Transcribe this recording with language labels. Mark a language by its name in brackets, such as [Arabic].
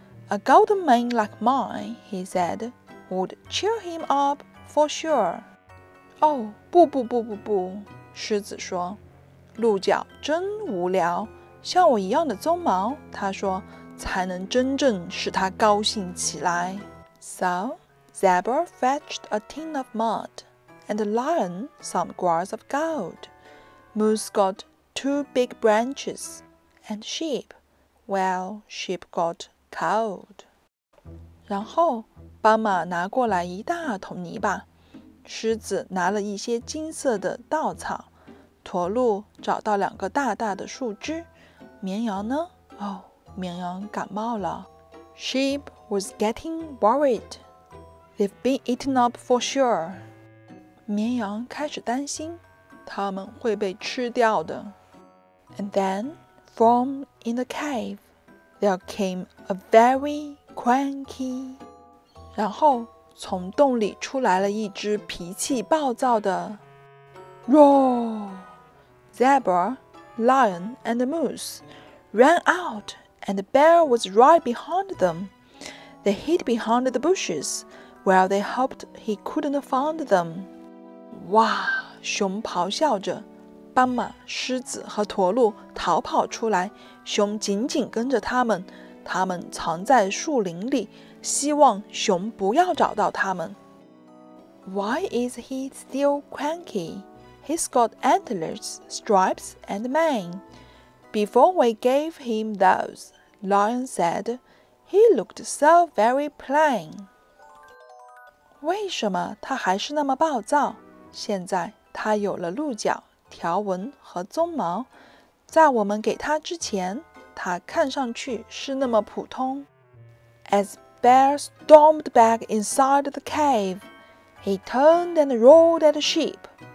[English] A golden mane like mine, he said, would cheer him up for sure. Oh, [Chinese] 不不不不不，狮子说，鹿角真无聊，像我一样的鬃毛，他说，才能真正使他高兴起来。 [English] So, Zebra fetched a tin of mud, and the lion some grass of gold. Moose got two big branches, and sheep. Well, sheep got cold. [Chinese] 然后，斑马拿过来一大桶泥巴，狮子拿了一些金色的稻草，驼鹿找到两个大大的树枝，绵羊呢？哦，绵羊感冒了。 [English] Sheep was getting worried. They've been eaten up for sure. [Chinese] 绵羊开始担心，它们会被吃掉的。 [English] And then,From in the cave, there came a very cranky. [Chinese] 然后从洞里出来了一只脾气暴躁的 [English] Roar! Zebra, Lion, and Moose ran out, and the bear was right behind them. They hid behind the bushes, while they hoped he couldn't find them. [Chinese] 哇，熊咆哮着。斑马、狮子和驼鹿逃跑出来，熊紧紧跟着他们，他们藏在树林里，希望熊不要找到他们。 [English] Why is he still cranky? He's got antlers, stripes, and mane. Before we gave him those, Lion said, he looked so very plain. [Chinese] 为什么他还是那么暴躁？现在他有了鹿角、条纹和鬃毛，在我们给他之前，他看上去是那么普通。 [English] As Bear stormed back inside the cave, he turned and roared at the sheep.